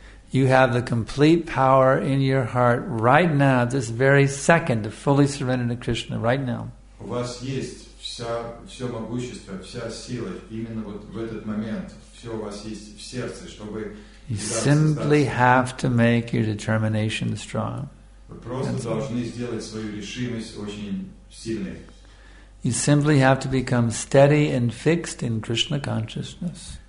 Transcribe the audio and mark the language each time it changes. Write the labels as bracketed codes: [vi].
[en] You have the complete power in your heart right now, this very second, to fully surrender to Krishna right now. [ru] У вас есть все могущество, вся сила именно вот в этот момент. Все у вас есть в сердце, чтобы. [en] You simply have to make your determination strong. [ru] Вы просто должны сделать свою решимость очень сильной. [en] You simply have to become steady and fixed in Krishna consciousness.